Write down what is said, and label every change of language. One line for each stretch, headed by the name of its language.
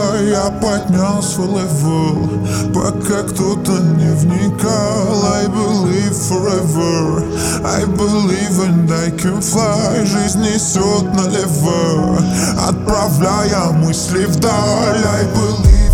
Russian: Я поднялся в левел, пока кто-то не вникал.
English: I believe forever, I believe and I can fly.
Russian: Жизнь несет налево, отправляя мысли вдаль.
English: I believe.